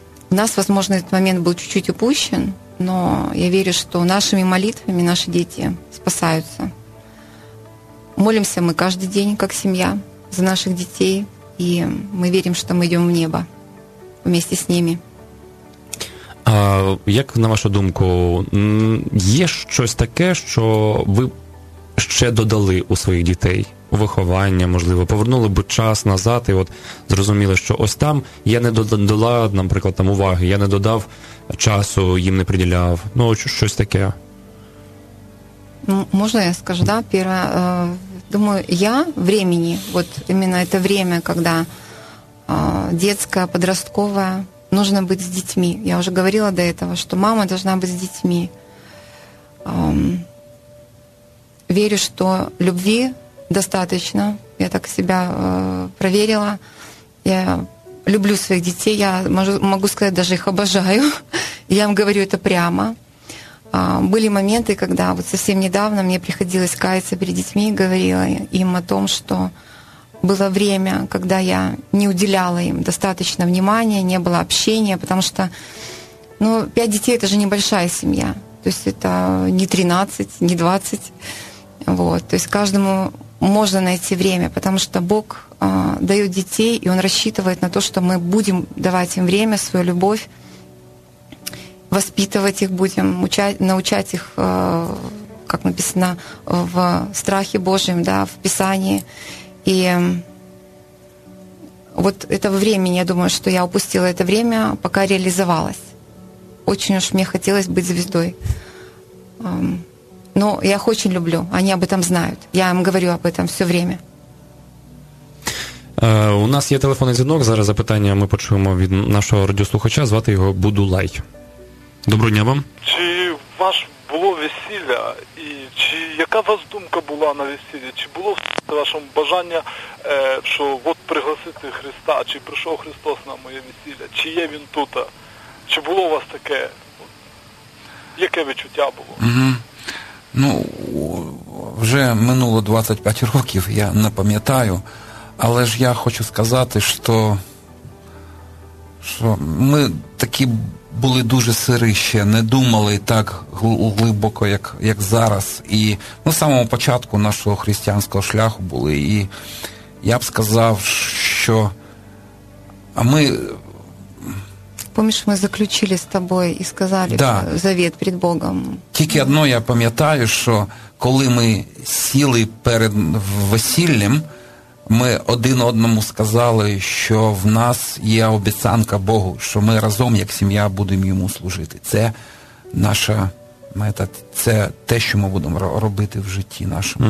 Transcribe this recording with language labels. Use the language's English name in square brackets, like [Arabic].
[Russian] У нас, возможно, этот момент был чуть-чуть упущен, но я верю, что нашими молитвами наши дети спасаются. Молимся мы каждый день, как семья, за наших детей, и мы верим, что мы идем в небо вместе с ними. [Ukrainian] А як на вашу думку, є щось таке, що ви ще додали у своїх дітей? Виховання, можливо, повернули би час назад і от зрозуміли, що ось там я не додала, наприклад, там уваги, я не додав часу, їм не приділяв. Ну, щось таке. Ну, можна я скажу, да, перше, думаю, я времени, от іменно це время, коли дитяча, підросткова, нужно бути з дітьми. Я вже говорила до цього, що мама должна бути з дітьми. Вірю, що любові достаточно. [Russian] Я так себя проверила. Я люблю своих детей. Я могу сказать, даже их обожаю. Я им говорю это прямо. Были моменты, когда вот совсем недавно мне приходилось каяться перед детьми и говорила им о том, что было время, когда я не уделяла им достаточно внимания, не было общения, потому что, ну, 5 детей — это же небольшая семья. То есть это не 13, не 20. Вот. То есть каждому можно найти время, потому что Бог дает детей, и Он рассчитывает на то, что мы будем давать им время, свою любовь, воспитывать их будем, научать их, как написано, в страхе Божьем, да, в Писании. И вот это время, я думаю, что я упустила это время, пока реализовалась. Очень уж мне хотелось быть звездой. [Ukrainian] Ну, я їх дуже люблю, вони об этом знають. Я їм говорю об этом все время. У нас є телефонний дзвінок. Зараз запитання ми почуємо від нашого радіослухача. Звати його Будулай. Доброго дня вам. Чи ваш було весілля? І чи яка у вас думка була на весіллі? Чи було в вашому бажання, що от пригласити Христа? Чи прийшов Христос на моє весілля? Чи є Він тут? Чи було у вас таке? Яке відчуття було? Угу. Ну, вже минуло 25 років, я не пам'ятаю, але ж я хочу сказати, що ми такі були дуже сирі ще, не думали так глибоко, як зараз. І, ну, самого початку нашого християнського шляху були, і я б сказав, що ми... [Russian] Помнишь, мы заключили с тобой и сказали, да, завет перед Богом. [Ukrainian] Тільки одно я пам'ятаю, що коли ми сіли перед весіллям, ми один одному сказали, що в нас є обіцянка Богу, що ми разом як сім'я будемо йому служити. Це наша мета, це те, що ми будемо робити в житті нашому.